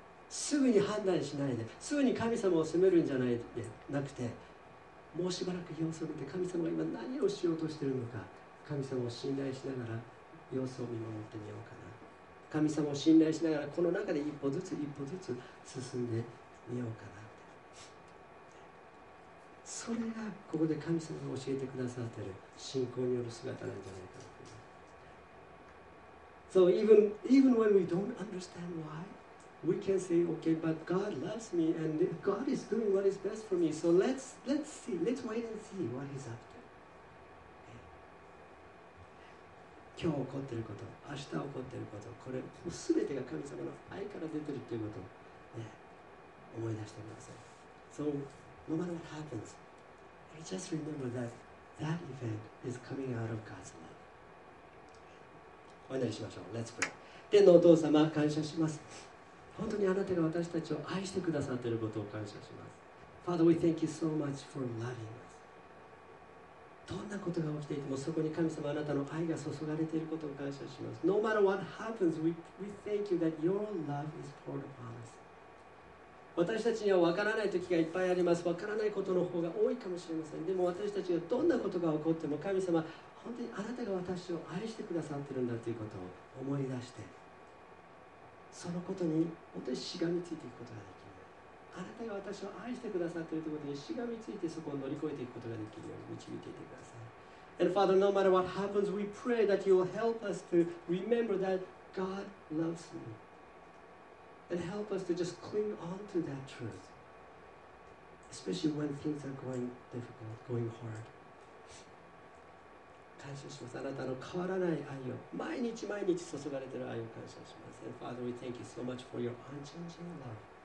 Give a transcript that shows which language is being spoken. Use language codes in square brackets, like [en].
[ja] すぐに判断しないで、すぐに神様を責めるんじゃないでなくて、もうしばらく様子を見て、神様が今何をしようとしているのか、神様を信頼しながら様子を見守ってみようかな、神様を信頼しながらこの中で一歩ずつ一歩ずつ進んでみようかな。それがここで神様が教えてくださっている信仰による姿なんじゃないかと思います。 [en] So even when we don't understand why, we can say, okay, but God loves me and God is doing what is best for me. So let's see, let's wait and see what he's up to. [ja] 今日起こっていること、明日起こっていること、これ全てが神様の愛から出ているということを、ね、思い出してください。 [en] So, no matter what happens, just remember that that event is coming out of God's love. [ja] お祈りしましょう。 [en] Let's pray. [ja] 天のお父様、感謝します。本当にあなたが私たちを愛してくださっていることを感謝します。 [en] Father, we thank you so much for loving us. [ja] どんなことが起きていても、そこに神様あなたの愛が注がれていることを感謝します。 [en] No matter what happens, we thank you that your love is poured upon us. [ja] 私たちには分からない時がいっぱいあります。分からないことの方が多いかもしれません。でも私たちがどんなことが起こっても、神様、本当にあなたが私を愛してくださっているんだということを思い出して、そのことに本当にしがみついていくことができる。あなたが私を愛してくださっているということにしがみついて、そこを乗り越えていくことができるように導いていてください。 [en] And Father, no matter what happens, we pray that you will help us to remember that God loves me. And help us to just cling on to that truth. Especially when things are going difficult, going hard. [ja] 感謝します。あなたの変わらない愛を、毎日毎日注がれている愛を感謝します。 [en] And Father, we thank you so much for your unchanging love.